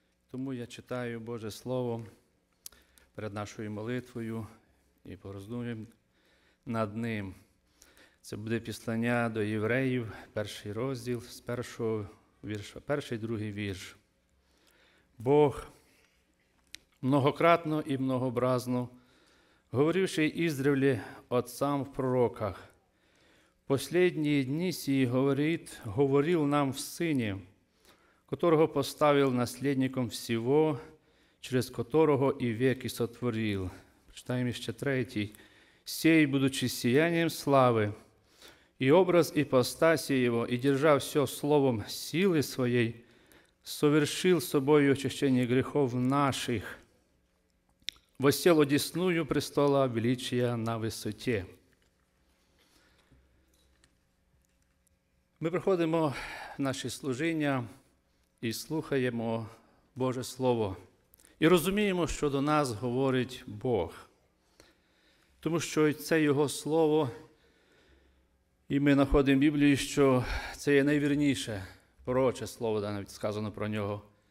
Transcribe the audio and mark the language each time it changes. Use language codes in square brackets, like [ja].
[uk] Тому я читаю Боже Слово перед нашою молитвою і пороздумуємо над ним. Це буде Пістання до євреїв, перший розділ, з першого вірша, перший, другий вірш. [ru] Бог многократно і многообразно, говоривши іздревле отцам в пророках, «Последні дні сії говорит, говорил нам в Сыне, которого поставил наследником всего, через которого и веки сотворил». Читаем еще третий. «Сей, будучи сиянием славы, и образ ипостаси его, и держав все словом силы своей, совершил собою очищение грехов наших». Восел одесную престола величия на высоте. [uk] Ми проходимо наші служіння і слухаємо Боже Слово. І розуміємо, що до нас говорить Бог. Тому що це Його Слово, і ми знаходимо в Біблії, що це є найвірніше пророче Слово, навіть сказано про нього.